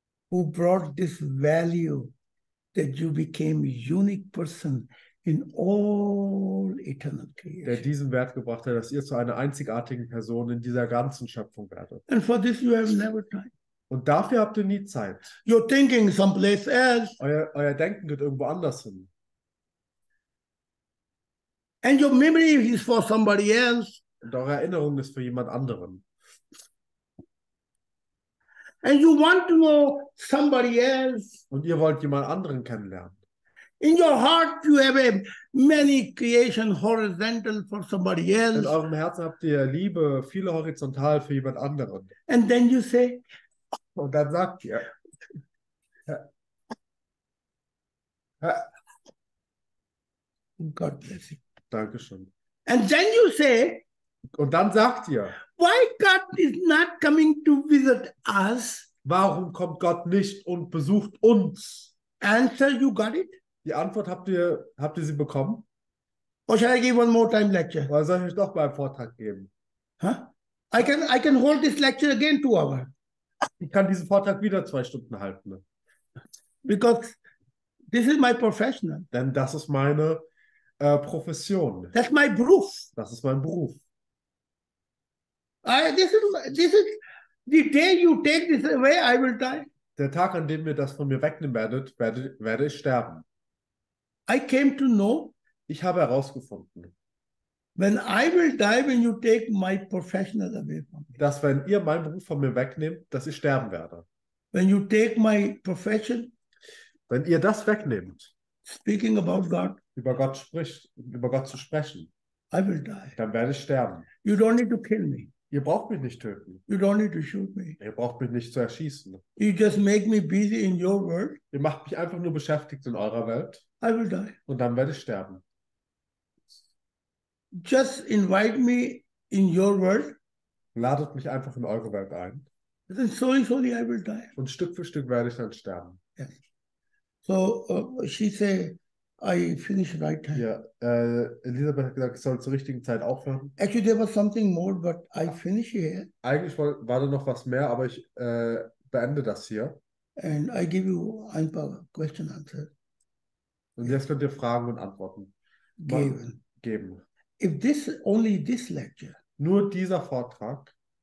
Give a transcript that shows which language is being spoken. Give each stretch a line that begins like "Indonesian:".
English: Who brought this value that you became a unique person in all eternal creation.
German: Der diesen Wert gebracht hat, dass ihr zu einer einzigartigen Person in dieser ganzen Schöpfung werdet.
English: And for this you have never time.
German: Und dafür habt ihr nie Zeit.
English: You're thinking someplace else.
German: Euer Denken geht irgendwo anders hin.
English: And your memory is for somebody else.
German: Und eure Erinnerung ist für jemand anderen.
English: And you want to know somebody else.
German: Und ihr wollt jemand anderen kennenlernen.
English: In your heart you have a many creation horizontal for somebody else.
German: In eurem Herzen habt ihr Liebe, viele horizontal für jemand anderen.
English: And then you say.
German: Und dann sagt ihr.
English: God bless you.
German: Dankeschön.
English: And then you say.
German: Und dann sagt ihr.
English: Why God is not coming to visit us?
German: Warum kommt Gott nicht und besucht uns?
English: Answer, you got it?
German: Die Antwort habt ihr sie bekommen?
English: Or shall I give one more time lecture?
German: Oder soll ich euch noch mal einen Vortrag geben?
English: Huh? I can hold this lecture again 2 hours.
German: Ich kann diesen Vortrag wieder 2 Stunden halten.
English: Because this is my professional.
German: Denn das ist meine Profession.
English: That's my Beruf.
German: Das ist mein Beruf.
English: This is the day you take this away, I will die.
German: Der Tag, an dem ihr das von mir wegnehmen werdet, werde ich sterben.
English: I came to know.
German: Ich habe herausgefunden.
English: When I will die, when you take my professional away from me.
German: Dass wenn ihr meinen Beruf von mir wegnehmt, dass ich sterben werde.
English: When you take my profession.
German: Wenn ihr das wegnehmt.
English: Speaking about God.
German: Über Gott zu sprechen.
English: I will die.
German: Dann werde ich sterben.
English: You don't need to kill me.
German: Ihr braucht mich nicht töten.
English: You don't need to shoot me.
German: Ihr braucht mich nicht zu erschießen.
English: You just make me busy in your world.
German: Ihr macht mich einfach nur beschäftigt in eurer Welt.
English: I will die.
German: Und dann werde ich sterben.
English: Just invite me in your world.
German: Ladet mich einfach in eure Welt ein.
English: Then slowly, slowly I will die.
German: Und Stück für Stück werde ich dann sterben.
English: Yes. So she said, I finish right time.
German: Yeah, Elisabeth hat gesagt, ich soll zur richtigen Zeit aufhören.
English: Actually, there was something more, but I finish here.
German: Eigentlich war da noch was mehr, aber ich beende das hier.
English: And I give you
German: ein paar
English: question answers.
German: Und jetzt könnt ihr Fragen und Antworten geben.
English: If this only this lecture.
German: Nur dieser Vortrag.